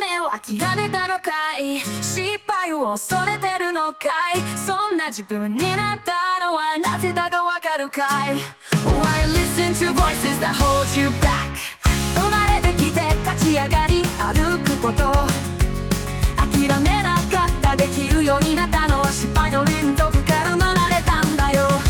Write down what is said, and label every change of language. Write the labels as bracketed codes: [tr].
[ja] 諦めたのかい、失敗を恐れてるのかい、そんな自分になったのはなぜだかわかるかい。 [en] Why listen to voices that hold you back? [ja] 生まれてきて立ち上がり歩くこと、諦めなかった、できるようになったのは失敗の連続から生まれたんだよ。